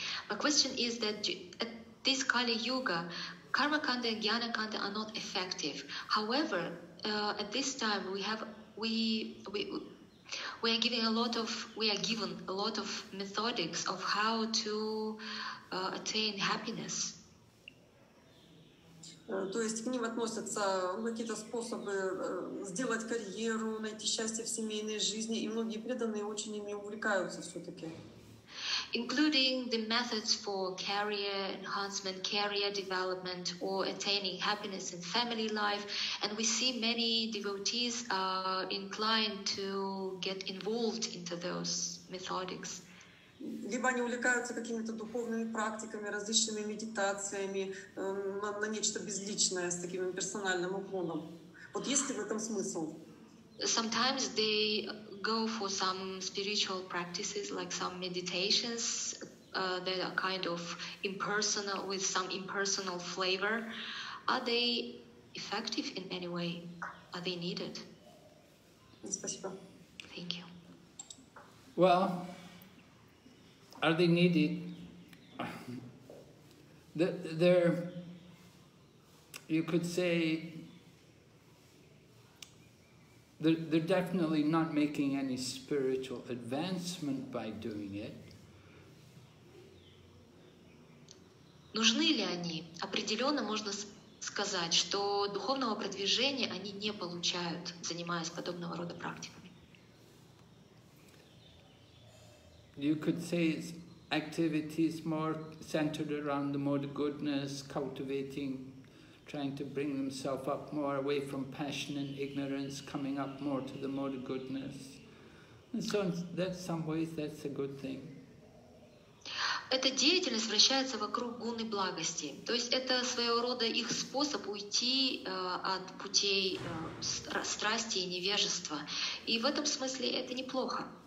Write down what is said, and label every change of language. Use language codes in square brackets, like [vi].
[en] My question is that at this Kali Yuga, Karma Kanda and Jnana Kanda are not effective. However, at this time we are given a lot of methodics of how to attain happiness. [ru] То есть к ним относятся какие-то способы сделать карьеру, найти счастье в семейной жизни, и многие преданные очень ими увлекаются все-таки. [en] Including the methods for career enhancement, career development, or attaining happiness in family life, and we see many devotees are inclined to get involved into those methodics. [ru] Либо они увлекаются какими-то духовными практиками, различными медитациями, на нечто безличное, с таким персональным уклоном. Вот есть ли в этом смысл? [en] Sometimes they go for some spiritual practices, like some meditations, that are kind of impersonal, with some impersonal flavor. Are they effective in any way? Are they needed? [ru] Спасибо. [en] Thank you. Well, are they needed? They're, you could say, they're definitely not making any spiritual advancement by doing it. [ru] Нужны ли они? Определенно можно сказать, что духовного продвижения они не получают, занимаясь подобного рода практиками. [en] You could say it's activities more centered around the mode of goodness, cultivating, trying to bring themselves up more away from passion and ignorance, coming up more to the mode of goodness. And so that's some ways that's a good thing. [ru] Эта деятельность вращается вокруг гуны благости. То есть это своего рода их способ уйти от путей страсти и невежества. И в этом смысле это неплохо.